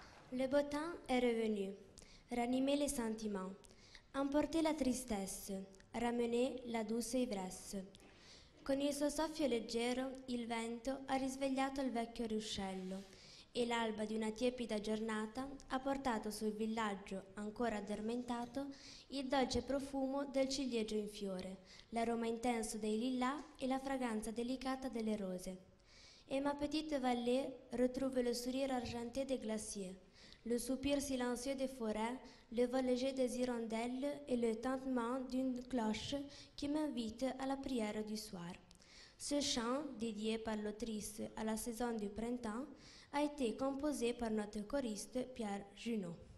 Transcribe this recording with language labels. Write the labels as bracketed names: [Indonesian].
[French] Le beau temps est revenu, ranimer les sentiments, emporter la tristesse, ramener la douce ivresse. [Italian] Con il suo soffio leggero, il vento ha risvegliato il vecchio ruscello e l'alba di una tiepida giornata ha portato sul villaggio, ancora addormentato, il dolce profumo del ciliegio in fiore, l'aroma intenso dei lilà e la fragranza delicata delle rose. [French] Et ma petite vallée retrouve le sourire argenté des glaciers, le soupir silencieux des forêts, le vol léger des hirondelles et le tintement d'une cloche qui m'invite à la prière du soir. Ce chant, dédié par l'autrice à la saison du printemps, a été composé par notre choriste Pierre Junot.